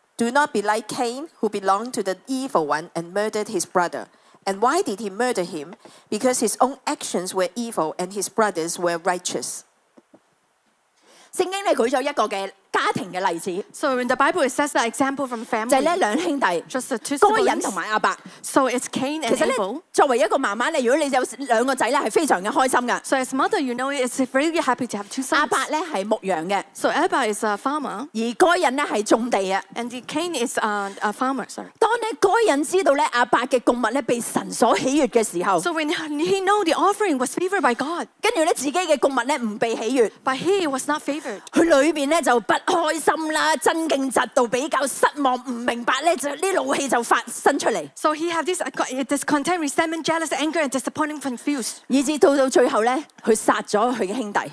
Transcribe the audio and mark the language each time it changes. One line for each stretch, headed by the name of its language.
English: Do not be like Cain, who belonged to the evil one and murdered his brother. And why did he murder him? Because his own actions were evil and his brothers were righteous.
Cantonese: 聖經咧舉咗一個嘅家庭嘅例子。
English: So in the Bible, it sets the example from family.
Cantonese: 就係咧兩兄弟，該隱同埋亞伯。
English: So it's Cain and Abel.
Cantonese: 其實咧，作為一個媽媽咧，如果你有兩個仔咧，係非常嘅開心噶。
English: So as mother, you know, it's really happy to have two sons.
Cantonese: 亞伯咧係牧羊嘅。
English: So Abel is a farmer.
Cantonese: 而該隱咧係種地啊。
English: And Cain is a farmer. Sorry.
Cantonese: 當咧該隱知道咧亞伯嘅供物咧被神所喜悅嘅時候
English: ，So when he know the offering was favored by God.
Cantonese: 跟住咧自己嘅供物咧唔被喜悅
English: ，But he was not favored.
Cantonese: 佢里边咧就不开心啦，真劲嫉妒，比较失望，唔明白咧就呢怒气就发生出嚟。
English: So he have this discontent, resentment, jealous, anger, and disappointment, confused.
Cantonese: 以至到最后咧，佢杀咗佢嘅兄弟。